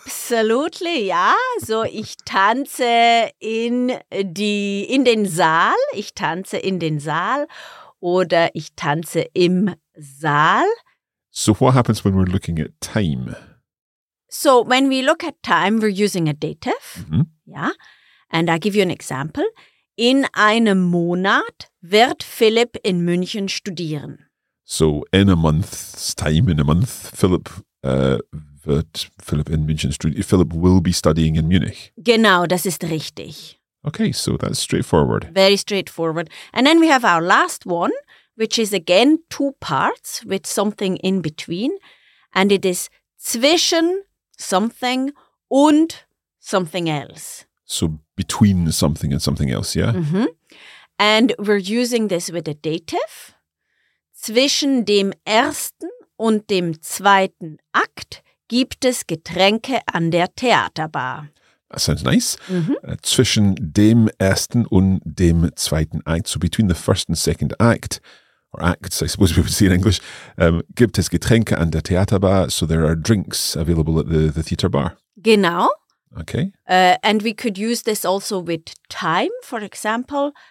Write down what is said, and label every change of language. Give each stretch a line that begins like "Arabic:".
English: Absolutely,
German: ja. So ich tanze in den Saal. Ich tanze in den Saal. Oder ich tanze im Saal.
English: So what happens when we're looking at time? So when we look at time, we're using a dative, mm-hmm. yeah? And I give you an example.
German: In einem Monat wird Philipp in München studieren.
English: So in a month's time, in a month, Philipp
German: wird Philipp in München studieren.
English: Philipp will be studying in Munich.
German: Genau, das ist richtig.
English: Okay, so that's straightforward. Very straightforward. And then we have our last one, which is again two parts with something in between. And it is zwischen something und something else. So between something and something else, yeah? Mm-hmm. And we're using this with a dative.
German: Zwischen dem ersten und dem zweiten Akt gibt es Getränke an der Theaterbar.
English: That sounds nice. Mm-hmm.
German: Zwischen dem ersten und dem zweiten Akt.
English: So between the first and second act, or acts, I suppose we would say in English,
German: gibt es Getränke an der Theaterbar,
English: so there are drinks available at the theater bar.
German: Genau.
English: Okay. And we could use this also with time, for example.